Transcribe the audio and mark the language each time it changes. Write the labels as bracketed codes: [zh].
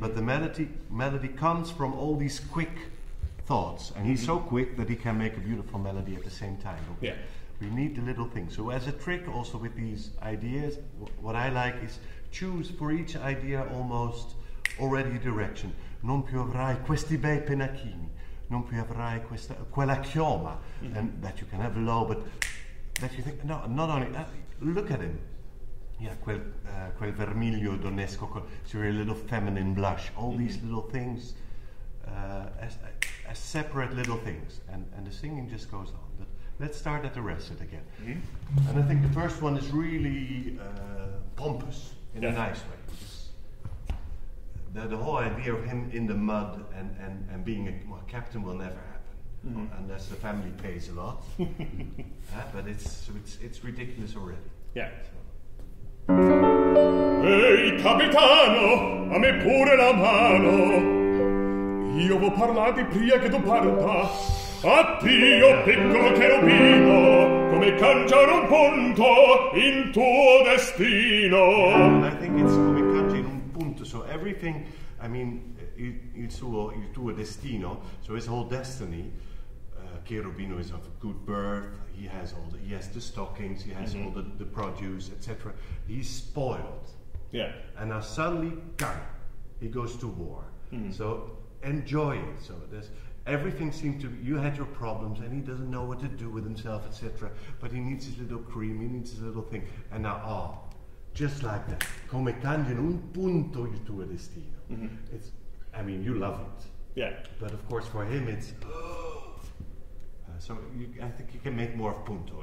[en] But the melody comes from all these quick thoughts. And he's mm-hmm. so quick that he can make a beautiful melody at the same time. Okay. Yeah. We need the little things. So as a trick also with these ideas, what I like is choose for each idea almost already a direction. [it] Non più avrai questi bei pennacchini, non più avrai questa quella chioma, mm-hmm. [en] and that you can have low, but that you think, no, not only, look at him, yeah, [it] quel vermiglio donesco, [en] so a little feminine blush, all mm-hmm. these little things, as separate little things, and the singing just goes on. But let's start at the rest of it again, mm-hmm. and I think the first one is really pompous in yes. a nice way. The whole idea of him in the mud and being a captain will never happen, mm-hmm. unless the family pays a lot. Yeah, but it's ridiculous already. Yeah. [it] Ehi, capitano, a me pure la mano. Io vo parlati prima che tu parta. Addio, piccolo cherubino, come cangiare un punto in tuo destino. [en] Yeah, I think it's [it] come cangiare un punto. [en] So everything, I mean, [it] il tuo destino, [en] so his whole destiny, Cherubino is of good birth, he has the stockings, he has mm-hmm. all the produce, etc. He's spoiled. Yeah. And now suddenly, gah, he goes to war. Mm-hmm. So enjoy it. So there's, everything seems to be, you had your problems, and he doesn't know what to do with himself, etc. But he needs his little cream, he needs his little thing. And now, oh, just like that. [it] Come cangiare un punto il tuo destino. Mm-hmm. [en] It's, I mean, you love it. Yeah. But of course, for him, it's. I think you can make more of punto.